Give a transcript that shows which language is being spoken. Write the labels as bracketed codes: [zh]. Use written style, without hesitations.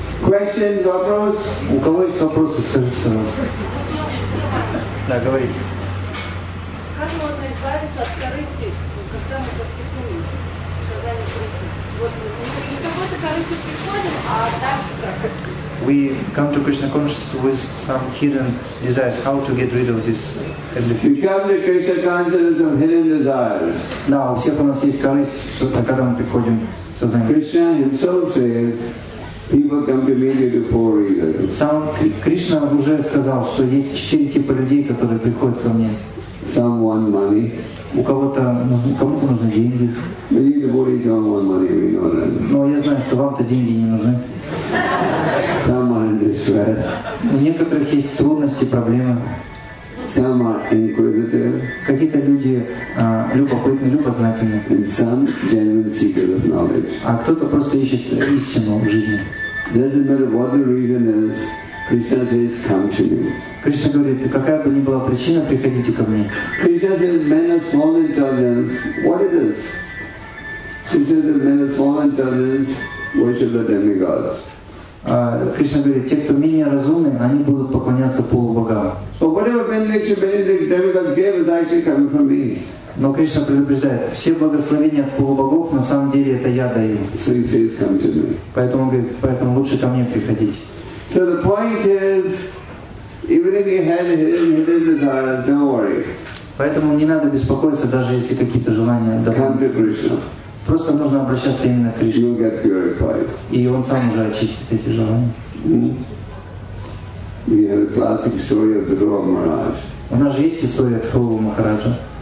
[ru] Question, вопрос? У кого есть вопросы, скажите, пожалуйста. Да, говорите. Как можно избавиться от корысти, когда мы практикуем сказание Кришны? Вот мы из какой-то корысти приходим, а дальше как? [en] We come to Krishna consciousness with some hidden desires. How to get rid of this? You come to Krishna consciousness with hidden desires. [ru] Да, у всех у нас есть корысть, когда мы приходим. [en] Krishna himself says, people come to me due to four reasons. [ru] Сам Кришна уже сказал, что есть четыре типа людей, которые приходят ко мне. [en] Some want money. [ru] У кого-то кому-то нужны деньги. [en] Many devotees don't want money, we know that. [ru] Но я знаю, что вам-то деньги не нужны. [en] Some are in distress. [ru] У некоторых есть трудности, проблемы. [en] Some are inquisitive. [ru] Какие-то люди любопытные, любознательные. [en] And some genuine seekers of knowledge. [ru] А кто-то просто ищет истину в жизни. [en] Doesn't matter what the reason is, Krishna says, come to me. [ru] Кришна говорит, какая бы ни была причина, приходите ко мне. [en] Krishna says, men of small intelligence, what it is? Krishna says, men of small intelligence, worship the demigods. [ru] Кришна говорит, те, кто менее разумны, они будут поклоняться полубогам. [en] So whatever benediction Benedict demigods gave is actually coming from me. [ru] Но Кришна предупреждает, все благословения от полубогов на самом деле это я даю. [en] So he says, come to me. [ru] Поэтому говорит, поэтому лучше ко мне приходить. [en] So the point is, even if you had hidden desires, don't worry. [ru] Поэтому не надо беспокоиться, даже если какие-то желания [en] доходят. Come to Krishna. [ru] Просто нужно обращаться именно к Кришне. [en] You'll get purified. [ru] И он сам уже очистит эти желания. [en] We have a classic story of the Dhruva Maharaj. [ru] У нас же есть история Дхрува Махараджа.